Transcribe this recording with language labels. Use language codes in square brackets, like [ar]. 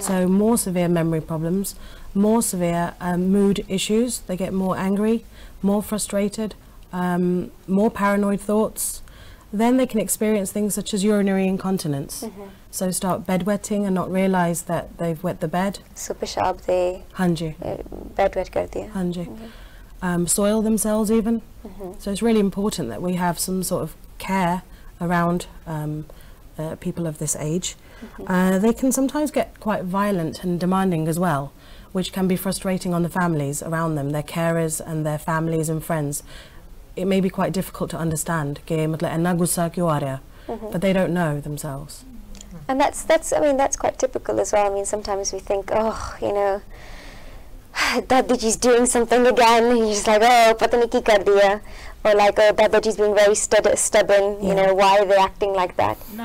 [en] So more severe memory problems, more severe mood issues. They get more angry, more frustrated, more paranoid thoughts. Then they can experience things such as urinary incontinence. Mm-hmm. So start bedwetting and not realize that they've wet the bed. [pa] So ਪੇਸ਼ਾਬ ਦੇ hanji. Bedwet ਕਰ ਦਿਆ. [en] Hanji. Mm-hmm. Soil themselves even. Mm-hmm. So it's really important that we have some sort of care around people of this age. Mm-hmm. They can sometimes get quite violent and demanding as well, which can be frustrating on the families around them, their carers and their families and friends. It may be quite difficult to understand, but they don't know themselves. And that's quite typical as well. I mean, sometimes we think, oh, you know, Dadiji's doing something again. He's just like, oh, [pa] ਪਤਾ ਨਹੀਂ ਕੀ ਕਰ ਦਿਆ. [en] Or like, oh, Dadiji's being very stubborn. Yeah. You know, why are they acting like that?